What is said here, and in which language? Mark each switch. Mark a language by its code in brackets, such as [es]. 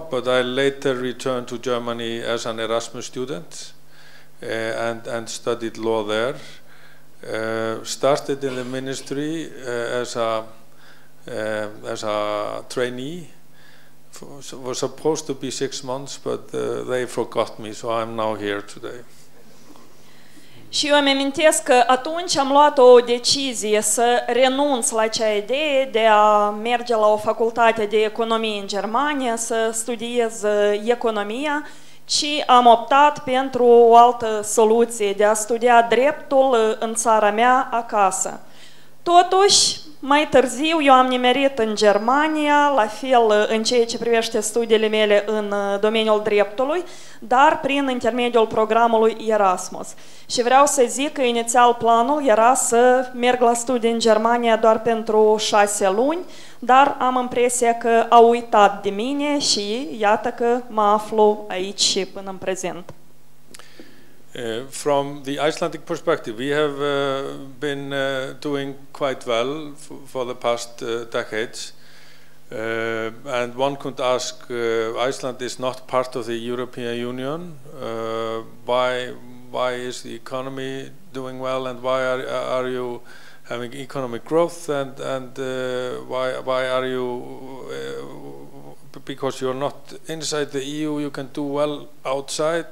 [en] But I later returned to Germany as an Erasmus student and studied law there. Started in the ministry as a trainee. Was supposed to be 6 months, but they forgot me, so I'm now here today. [ro] Și eu îmi amintesc că atunci am luat o decizie să renunț la acea idee de a merge la o facultate de economie în Germania, să studiez economia, ci am optat pentru o altă soluție, de a studia dreptul în țara mea, acasă. Totuși, mai târziu, eu am nimerit în Germania, la fel în ceea ce privește studiile mele în domeniul dreptului, dar prin intermediul programului Erasmus. Și vreau să zic că inițial planul era să merg la studii în Germania doar pentru 6 luni, dar am impresia că au uitat de mine și iată că mă aflu aici și până în prezent. [en] From the Icelandic perspective, we have been doing quite well for the past decades. And one could ask, Iceland is not part of the European Union. Why is the economy doing well, and why are you having economic growth, and why are you because you're not inside the EU, you can do well outside.